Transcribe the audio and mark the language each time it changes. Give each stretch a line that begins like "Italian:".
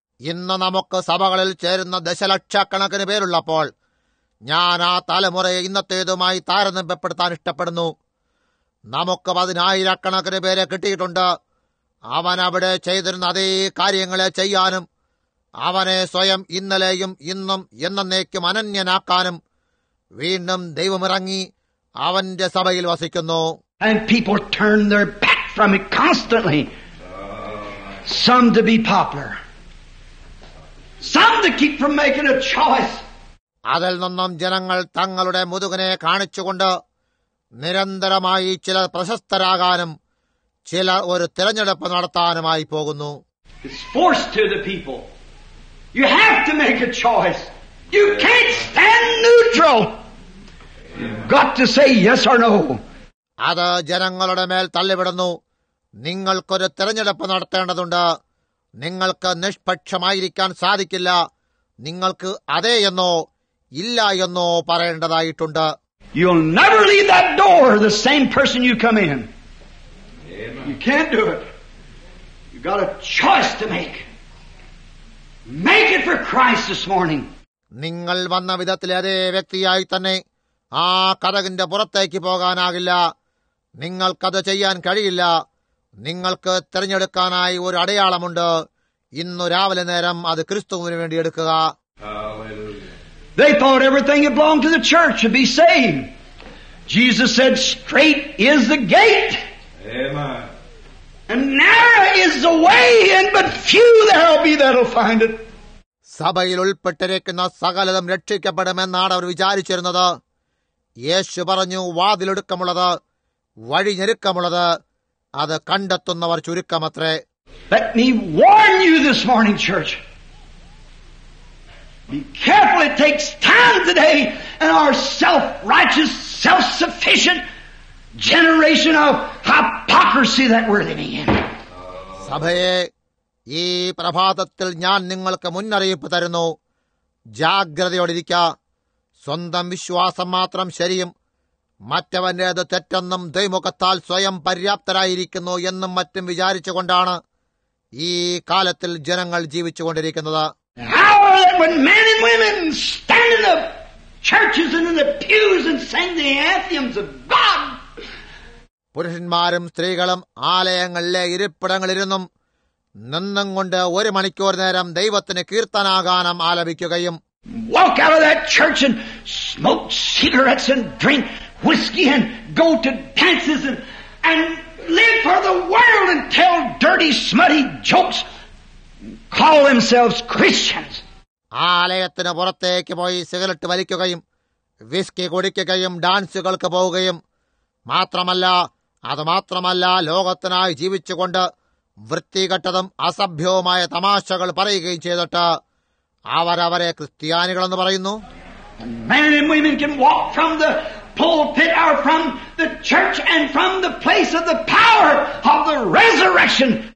Malayalam: ഇന്ന് നമുക്ക് സഭകളിൽ ചേരുന്ന ദശലക്ഷക്കണക്കിന് പേരുള്ളപ്പോൾ ഞാൻ ആ തലമുറയെ ഇന്നത്തേതുമായി താരതമ്യപ്പെടുത്താൻ ഇഷ്ടപ്പെടുന്നു. നമുക്ക് 10,000,000 പേരെ കിട്ടിയിട്ടുണ്ട്. അവൻ അവിടെ ചെയ്തിരുന്ന അതേ കാര്യങ്ങളെ ചെയ്യാനും അവനെ സ്വയം ഇന്നലെയും ഇന്നും എന്നേക്കും അനന്യനാക്കാനും വീണ്ടും ദൈവമിറങ്ങി അവന്റെ സഭയിൽ വസിക്കുന്നു.
English: And people turn their back from it constantly. Some to be popular. Some to keep from making a choice.
Malayalam: അതിൽ നിന്നും ജനങ്ങൾ തങ്ങളുടെ മുതുകനെ കാണിച്ചുകൊണ്ട് നിരന്തരമായി ചിലർ പ്രശസ്തരാകാനും ചിലർ ഒരു തിരഞ്ഞെടുപ്പ് നടത്താനുമായി പോകുന്നു.
English: It's forced to the people. You have to make a choice. You can't stand neutral. You've got to say yes or no.
Malayalam: അത് ജനങ്ങളുടെ മേൽ തള്ളിവിടുന്നു. നിങ്ങൾക്കൊരു തിരഞ്ഞെടുപ്പ് നടത്തേണ്ടതുണ്ട്. നിങ്ങൾക്ക് നിഷ്പക്ഷമായിരിക്കാൻ സാധിക്കില്ല. നിങ്ങൾക്ക് അതേ എന്നോ ഇല്ല എന്നോ പറയേണ്ടതായിട്ടുണ്ട്.
English: You'll never leave that door the same person you come in. You can't do it. You've got a choice to make. Make it for Christ this morning.
Malayalam: നിങ്ങൾ വന്ന വിധത്തിലെ അതേ വ്യക്തിയായി തന്നെ ആ കതകിന്റെ പുറത്തേക്ക് പോകാനാകില്ല. നിങ്ങൾക്കത് ചെയ്യാൻ കഴിയില്ല. നിങ്ങൾക്ക് തിരഞ്ഞെടുക്കാനായി ഒരു അടയാളമുണ്ട്. ഇന്നു രാവിലെ നേരം അത് ക്രിസ്തുവിന് വേണ്ടി എടുക്കുക.
English: They thought everything that belonged to the church would be saved. Jesus said, "Straight is the gate." Amen. And narrow is the way in, but few there'll be that'll find it.
Malayalam: സഭയിൽ ഉൾപ്പെട്ടിരിക്കുന്ന സകലതും രക്ഷിക്കപ്പെടുമെന്നാണ് അവർ വിചാരിച്ചിരുന്നത്. യേശു പറഞ്ഞു, വാതിലൊടുക്കമുള്ളത് വഴി ഞെരുക്കമുള്ളത് അത് കണ്ടെത്തുന്നവർ ചുരുക്കമത്രേ.
English: Let me warn you this morning, church. Be careful, it takes time today and our self-righteous, self-sufficient generation of hypocrisy that we're living in.
Malayalam: സഭയെ, ഈ പ്രഭാതത്തിൽ ഞാൻ നിങ്ങൾക്ക് മുന്നറിയിപ്പ് തരുന്നു. ജാഗ്രതയോടിരിക്ക. സ്വന്തം വിശ്വാസം മാത്രം ശരിയും മറ്റവന്റേത് തെറ്റെന്നും ദൈവമുഖത്താൽ സ്വയം പര്യാപ്തരായിരിക്കുന്നു എന്നും മറ്റും വിചാരിച്ചുകൊണ്ടാണ് ഈ കാലത്തിൽ ജനങ്ങൾ ജീവിച്ചുകൊണ്ടിരിക്കുന്നത്.
English: How are they when men and women stand in the churches and in the pews and sing the anthems of God?
Malayalam: പുരുഷന്മാരും സ്ത്രീകളും ആലയങ്ങളിലെ ഇരിപ്പിടങ്ങളിലിരുന്നും നിന്നും കൊണ്ട് ഒരു മണിക്കൂർ നേരം ദൈവത്തിന് കീർത്തനാഗാനം ആലപിക്കുകയും
English: walk out of that church and smoke cigarettes and drink whiskey and go to dances and live for the world and tell dirty, smutty jokes. Call themselves Christians.
Malayalam: ആലയത്തിനു പുറത്തേക്ക് പോയി സിഗരറ്റ് വലിക്കുകയും വിസ്കി കുടിക്കുകയും ഡാൻസുകൾക്ക് പോവുകയും മാത്രമല്ല അതുമാത്രമല്ല ലോകത്തിനായി ജീവിച്ചുകൊണ്ട് വൃത്തികെട്ടതും അസഭ്യവുമായ തമാശകൾ പറയുകയും ചെയ്തിട്ട് അവരവരെ ക്രിസ്ത്യാനികളെന്ന് പറയുന്നു.
English: Men and women can walk from the pulpit or from the church and from the place of the power of the resurrection.